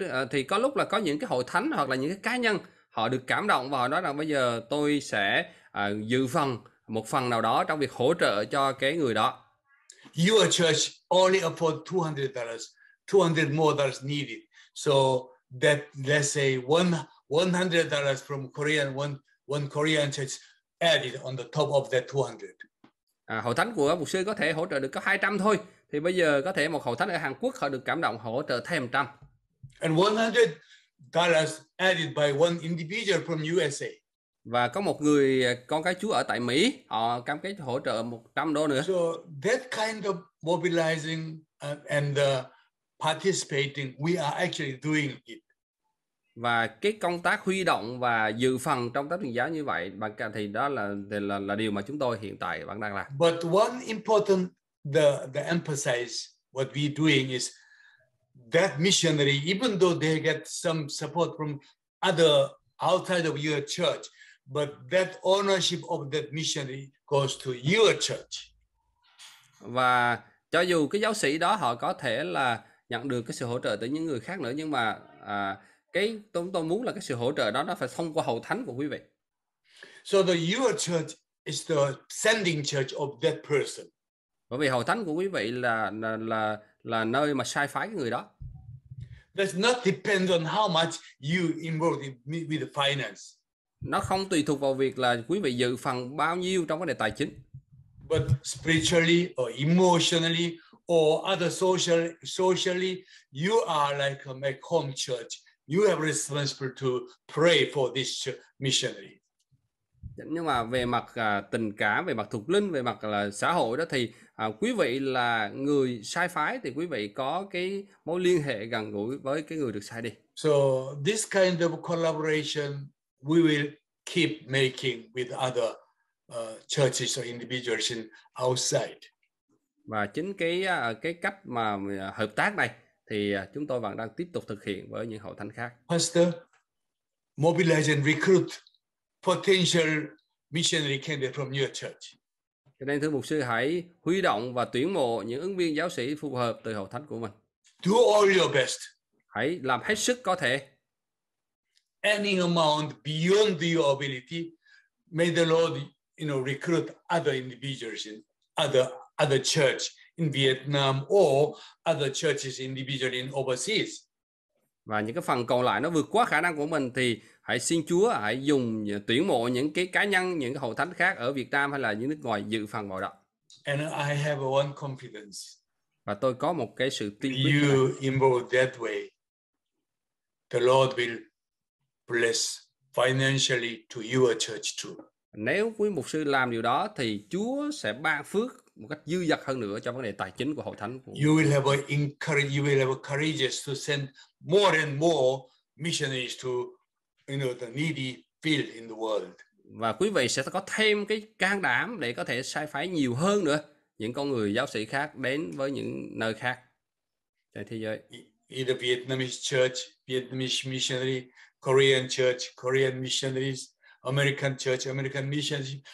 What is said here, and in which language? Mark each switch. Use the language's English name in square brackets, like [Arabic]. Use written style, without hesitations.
[Vietnamese] Thì có lúc là có những cái hội thánh hoặc là những cái cá nhân họ được cảm động và họ nói rằng bây giờ tôi sẽ dự phần một phần nào đó trong việc hỗ trợ cho cái người đó. [English] Your church only afford $200, $200 more needed. So that, let's say $100 from Korean, one Korean church added on the top of that 200. [Vietnamese] À, hội thánh của mục sư có thể hỗ trợ được có 200 thôi. Thì bây giờ có thể một hội thánh ở Hàn Quốc họ được cảm động hỗ trợ thêm 100. [English] And $100 added by one individual from USA. [Vietnamese] Và có một người con cái Chúa ở tại Mỹ, họ cam kết hỗ trợ $100 nữa. [English] So that kind of mobilizing and participating, we are actually doing it. [Vietnamese] Và cái công tác huy động và dự phần trong tác truyền giáo như vậy thì đó là điều mà chúng tôi hiện tại vẫn đang làm. [English] But one important the emphasize what we doing is that missionary, even though they get some support from other outside of your church, but that ownership of that missionary goes to your church. [Vietnamese] Và cho dù cái giáo sĩ đó họ có thể là nhận được cái sự hỗ trợ từ những người khác nữa, nhưng mà cái tôi muốn là cái sự hỗ trợ đó nó phải thông qua hội thánh của quý vị. [English] So the your church is the sending church of that person. [Vietnamese] Bởi vì hội thánh của quý vị là nơi mà sai phái cái người đó. [English] That's not depend on how much you involved in with the finance. [Vietnamese] Nó không tùy thuộc vào việc là quý vị dự phần bao nhiêu trong vấn đề tài chính. [English] But spiritually or emotionally or other socially, you are like a make home church. You have responsibility to pray for this missionary. [Vietnamese] Nhưng mà về mặt tình cảm, về mặt thuộc linh, về mặt là xã hội đó thì quý vị là người sai phái thì quý vị có cái mối liên hệ gần gũi với cái người được sai đi. [English] So this kind of collaboration we will keep making with other churches or individuals in outside. [Vietnamese] Và chính cái cách mà hợp tác này thì chúng tôi vẫn đang tiếp tục thực hiện với những hội thánh khác. [English] Pastor, mobilize and recruit potential missionary candidate from your church. [Vietnamese] Cho nên thưa mục sư, hãy huy động và tuyển mộ những ứng viên giáo sĩ phù hợp từ hội thánh của mình. [English] Do all your best. [Vietnamese] Hãy làm hết sức có thể. [English] Any amount beyond your ability, may the Lord, you know, recruit other individuals in other church in Vietnam or other churches individually in overseas. [Vietnamese] Và những cái phần còn lại nó vượt quá khả năng của mình thì hãy xin Chúa hãy dùng tuyển mộ những cái cá nhân, những cái hội thánh khác ở Việt Nam hay là những nước ngoài dự phần vào đó. [English] And I have one confidence. [Vietnamese] Và tôi có một cái sự tin biết. [English] You involve that way, the Lord will bless financially to your church too. [Vietnamese] Nếu quý mục sư làm điều đó thì Chúa sẽ ban phước một cách dư dật hơn nữa cho vấn đề tài chính của hội thánh. [English] You will have encourage, you will have courage to send more and more missionaries to, you know, the needy field in the world. [Vietnamese] Và quý vị sẽ có thêm cái can đảm để có thể sai phái nhiều hơn nữa những con người giáo sĩ khác đến với những nơi khác trên thế giới. [English] Either Vietnamese church, Vietnamese missionary, Korean church, Korean missionaries, American church, American missionaries.